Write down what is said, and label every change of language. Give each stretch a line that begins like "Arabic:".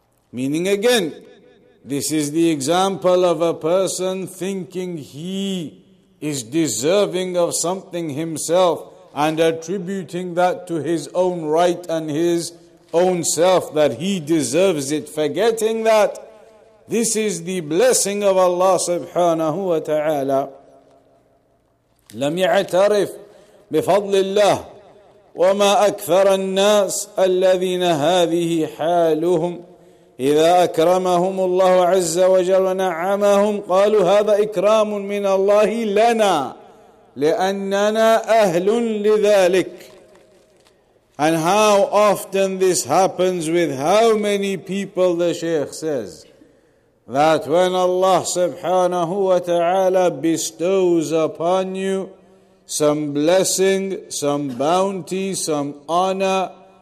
English: Meaning again, this is the example of a person thinking he is deserving of something himself and attributing that to his own right and his own self, that he deserves it, forgetting that this is the blessing of Allah subhanahu wa ta'ala.
Arabic: لم يعترف بفضل الله وما أكثر الناس الذين هذه حالهم إذا أكرمهم الله عز وجل ونعمهم قالوا هذا إكرام من الله لنا لأننا أهل لذلك.
English: And how often this happens with how many people, the Shaykh says, that when Allah subhanahu wa ta'ala bestows upon you some blessing, some bounty, some honor,